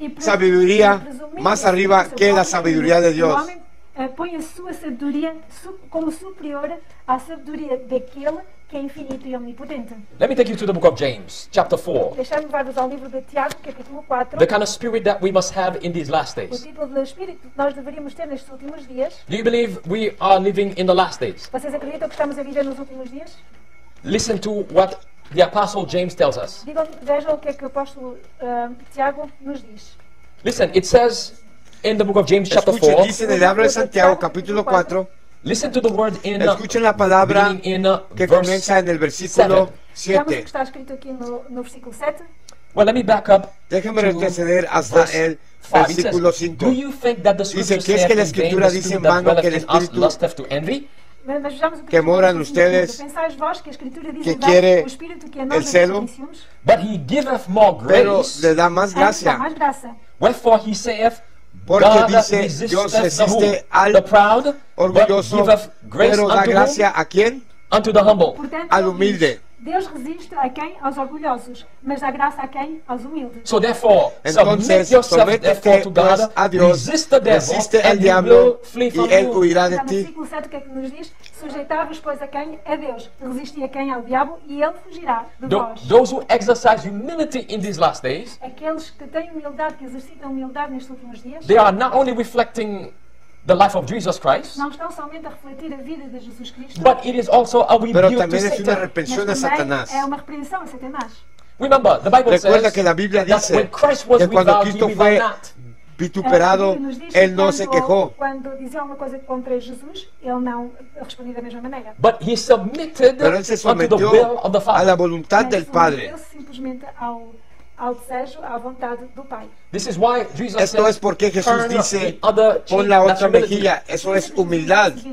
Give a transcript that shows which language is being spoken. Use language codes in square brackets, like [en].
[es] Sabiduría más arriba que la sabiduría de Dios. Pone su sabiduría como superior a sabiduría de aquel que es infinito y omnipotente. [en] Let me take you to the book of James, chapter 4. [pt] Deixa-me levar-vos ao livro de Tiago, capítulo 4. [en] The kind of spirit that we must have in these last days. [pt] O tipo de espírito que nós deveríamos ter nestes últimos dias. [en] Do you believe we are living in the last days? [pt] Vocês acreditam que estamos a viver nos últimos dias? [en] Listen to what the apostle James tells us. [pt] Vejam o que é que o apóstolo Tiago nos diz. [en] Listen, it says in the book of James, chapter 4. [es] Escuche, dice en el libro de Santiago, capítulo 4. [en] Listen to the word in [es] Escuchen la palabra in que comienza en el versículo 7. [pt] Está escrito aquí no versículo 7. [en] Well, let me back up. [es] Déjame retroceder hasta el versículo 5. [en] Do you think that the scripture [es] dice, ¿crees que la escritura dice en vano que el espíritu que mora en ustedes que quiere el celo? [en] But he giveth more grace. [es] Pero le da más gracia. [en] Wherefore he saith [es] Porque dice, Dios resiste al orgulloso, pero da gracia ¿a quién? [en] Unto the humble. [es] Al humilde. [pt] Deus resiste a quem? Aos orgulhosos, mas dá graça a quem? Aos humildes. [en] So therefore, [es] entonces, [en] submit yourself to God, [es] a Dios, resiste al diablo y él huirá de ti. [pt] No 7, que é que nos diz? Sujeitai-vos, pois, a quem? A Deus. Resisti a quem? Ao diabo, e ele fugirá de vós. [en] Those who exercise humility in these last days, [pt] aqueles que têm humildade, que exercitam humildade nestes últimos dias, [en] they are not only reflecting the life of Jesus Christ, [pt] não estão somente a refletir a vida de Jesus Cristo, [en] but it is also a [es] pero también [en] to [es] es una repensión a Satanás. [pt] É uma repreensão a Satanás. [en] Remember, the Bible [es] recuerda [en] says [es] que la Biblia dice [en] when Christ was [es] que cuando Cristo fue [en] not [es] vituperado, él no se quejó. [pt] Cuando dizia uma coisa contra Jesus, ele não respondia da mesma maneira. [en] But he submitted [es] pero él se sometió [en] the will of the Father. [es] A la voluntad del Padre. [pt] Simplesmente ao desejo, à vontade do Pai. [en] This is why Jesus [es] esto [en] says, [es] es porque Jesús dice [en] other, [es] pon la otra mejilla, eso es humildad.